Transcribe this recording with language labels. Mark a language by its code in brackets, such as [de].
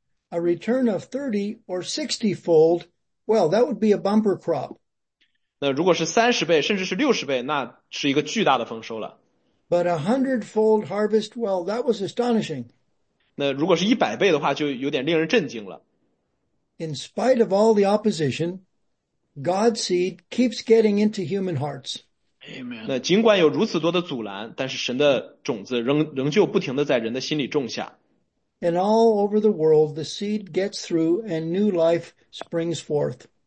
[en] A return of 30 or 60-fold, well, that would be a bumper crop. [zh] 那如果是30倍甚至是60倍，那是一个巨大的丰收了。 [en] But a 100-fold harvest, well, that was astonishing. [zh] 那如果是100倍的话，就有点令人震惊了。 [en] In spite of all the opposition, God's seed keeps getting into human hearts. Amen. [zh] 那尽管有如此多的阻拦，但是神的种子仍旧不停地在人的心里种下。 [en] And all over the world, the seed gets through and new life springs forth.